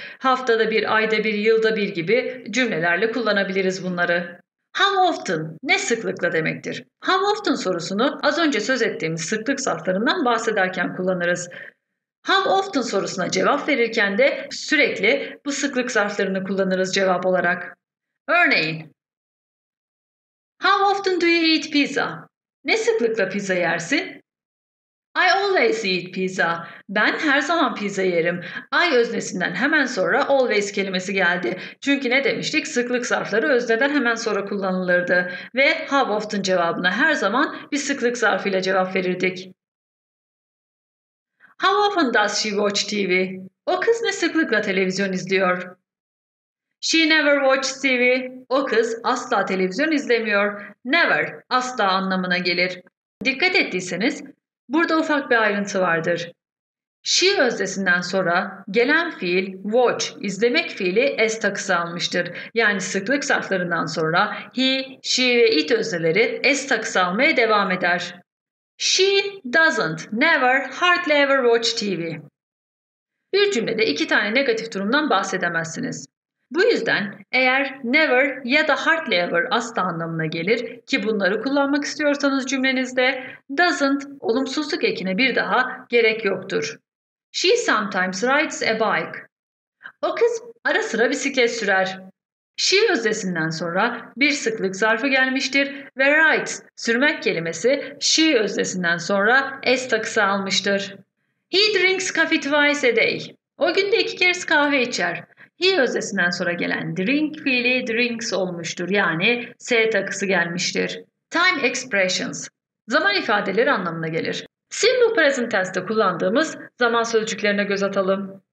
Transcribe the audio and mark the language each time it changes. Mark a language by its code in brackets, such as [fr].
[tr] Haftada bir, ayda bir, yılda bir gibi cümlelerle kullanabiliriz bunları. [en] How often? [tr] Ne sıklıkla demektir? How often sorusunu az önce söz ettiğimiz sıklık zarflarından bahsederken kullanırız. How often sorusuna cevap verirken de sürekli bu sıklık zarflarını kullanırız cevap olarak. Örneğin. [en] How often do you eat pizza? [tr] Ne sıklıkla pizza yersin? [en] I always eat pizza. [tr] Ben her zaman pizza yerim. I öznesinden hemen sonra always kelimesi geldi. Çünkü ne demiştik? Sıklık zarfları özneden hemen sonra kullanılırdı. Ve how often cevabına her zaman bir sıklık zarfıyla cevap verirdik. [en] How often does she watch TV? [tr] O kız ne sıklıkla televizyon izliyor? [en] She never watches TV. [tr] O kız asla televizyon izlemiyor. Never asla anlamına gelir. Dikkat ettiyseniz burada ufak bir ayrıntı vardır. She öznesinden sonra gelen fiil watch, izlemek fiili s takısı almıştır. Yani sıklık zarflarından sonra he, she ve it özneleri s takısı almaya devam eder. [en] She doesn't, never, hardly ever watch TV. [tr] Bir cümlede iki tane negatif durumdan bahsedemezsiniz. Bu yüzden eğer never ya da hardly ever asla anlamına gelir ki bunları kullanmak istiyorsanız cümlenizde doesn't olumsuzluk ekine bir daha gerek yoktur. [en] She sometimes rides a bike. [tr] O kız ara sıra bisiklet sürer. She öznesinden sonra bir sıklık zarfı gelmiştir ve rides sürmek kelimesi she öznesinden sonra s takısı almıştır. [en] He drinks coffee twice a day. [tr] O günde iki kez kahve içer. He öznesinden sonra gelen drink fiili drinks olmuştur. Yani s takısı gelmiştir. [en] Time expressions. [tr] Zaman ifadeleri anlamına gelir. Simple present tense'te kullandığımız zaman sözcüklerine göz atalım.